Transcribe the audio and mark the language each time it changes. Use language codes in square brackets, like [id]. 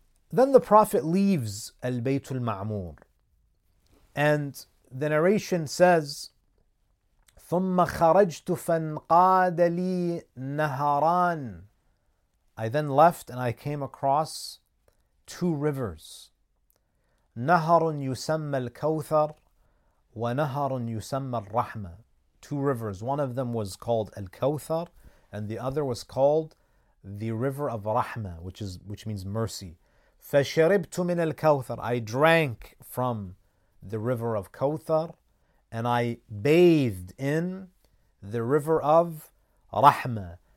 [en] Then the Prophet leaves Al-Baytul Ma'mur. And the narration says, [ar] ثُمَّ خَرَجْتُ فَانْقَادَ لِي نَهَرَانِ, [en] I then left and I came across two rivers. [ar] نَهَرٌ يُسَمَّ الْكَوْثَرُ وَنَهَرٌ يُسَمَّ الرَّحْمَةُ, [en] two rivers. One of them was called Al-Kawthar and the other was called the river of Rahma, which means mercy. [ar] فَشَرِبْتُ مِنَ الْكَوْثَرُ, [en] I drank from the river of Kawthar, and I bathed in the river of Rahma.